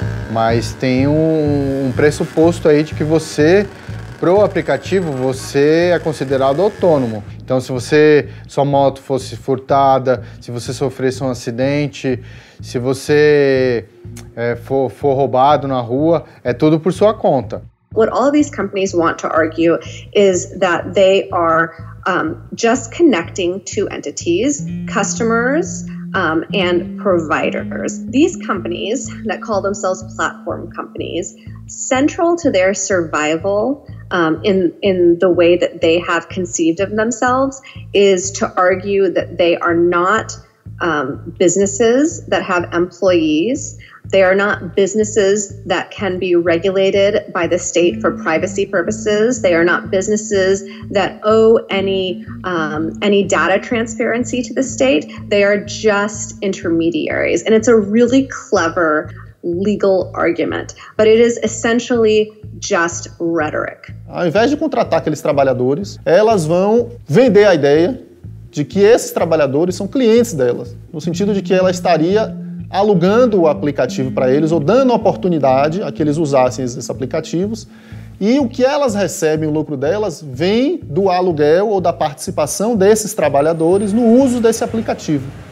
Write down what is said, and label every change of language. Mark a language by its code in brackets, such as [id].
[pt] Mas tem um pressuposto aí de que você, pro aplicativo, você é considerado autônomo. Então, se você sua moto fosse furtada, se você sofresse um acidente, se você for roubado na rua, é tudo por sua conta. [en] What all these companies want to argue is that they are just connecting two entities, customers and providers. These companies that call themselves platform companies, central to their survival in the way that they have conceived of themselves is to argue that they are not businesses that have employees. They are not businesses that can be regulated by the state for privacy purposes. They are not businesses that owe any data transparency to the state. They are just intermediaries. And it's a really clever legal argument, but it is essentially just rhetoric. [pt] Ao invés de contratar aqueles trabalhadores, elas vão vender a ideia de que esses trabalhadores são clientes delas, no sentido de que ela estaria alugando o aplicativo para eles ou dando oportunidade a que eles usassem esses aplicativos. E o que elas recebem, o lucro delas, vem do aluguel ou da participação desses trabalhadores no uso desse aplicativo.